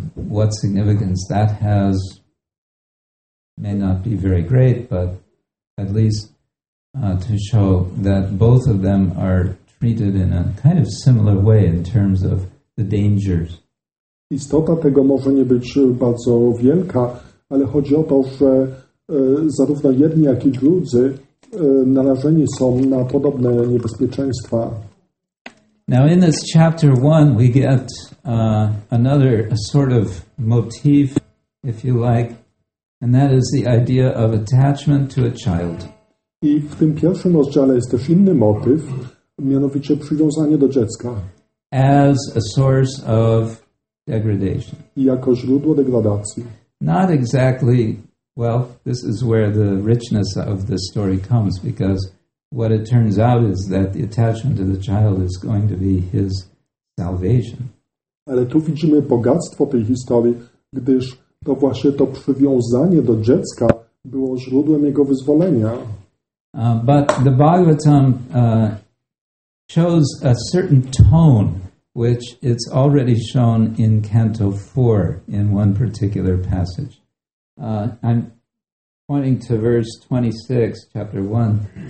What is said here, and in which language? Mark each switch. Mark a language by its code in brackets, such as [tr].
[en] What significance that has may not be very great, but at least to show that both of them are treated in a kind of similar way in terms of the dangers. [pl] Istota tego może nie być bardzo wielka, ale chodzi o to, że zarówno jedni, jak i drudzy narażeni są na podobne niebezpieczeństwa. [en] Now in this chapter 1 we get another a sort of motif, if you like, and that is the idea of attachment to a child. [pl] I w tym pierwszym rozdziale jest też inny motyw, mianowicie przywiązanie do dziecka. [en] As a source of degradation. [pl] Jako źródło degradacji. [en] Not exactly, well, this is where the richness of the story comes, because what it turns out is that the attachment to the child is going to be his salvation. [pl] Ale tu widzimy bogactwo tej historii, gdyż to właśnie to przywiązanie do dziecka było źródłem jego wyzwolenia. [en] But the Bhagavatam shows a certain tone, which it's already shown in Canto 4 in one particular passage. I'm pointing to verse 26, chapter 1.